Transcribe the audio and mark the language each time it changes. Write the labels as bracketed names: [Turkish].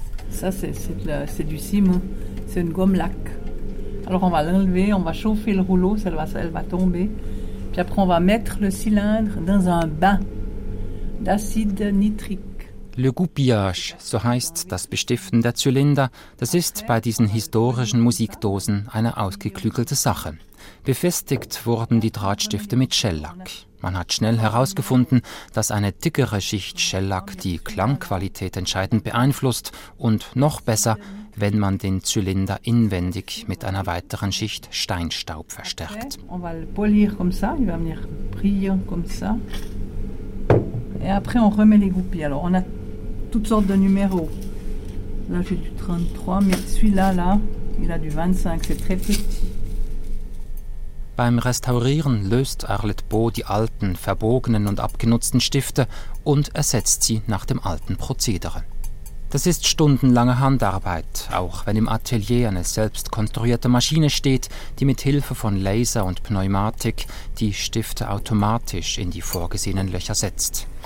[French] Ça c'est du cime, c'est une gomme lac. Alors on va l'enlever, on va chauffer le rouleau, elle va tomber. Puis après on va mettre le cylindre dans un bain d'acide nitrique. [German] Le goupillage, so heißt das Bestiften der Zylinder, das ist bei diesen historischen Musikdosen eine ausgeklügelte Sache. Befestigt wurden die Drahtstifte mit Schellack. Man hat schnell herausgefunden, dass eine dickere Schicht Schellack die Klangqualität entscheidend beeinflusst und noch besser, wenn man den Zylinder inwendig mit einer weiteren Schicht Steinstaub verstärkt. [French] On va le polir comme ça, il va venir briller comme ça. Et après on remet les goupilles. Alors on a toutes sortes de numéros. Là j'ai du 33, mais celui-là là, il a du 25, c'est très petit. [German] Beim Restaurieren löst Arlet Bo die alten, verbogenen und abgenutzten Stifte und ersetzt sie nach dem alten Prozedere. Das ist stundenlange Handarbeit, auch wenn im Atelier eine selbst konstruierte Maschine steht, die mit Hilfe von Laser und Pneumatik die Stifte automatisch in die vorgesehenen Löcher setzt.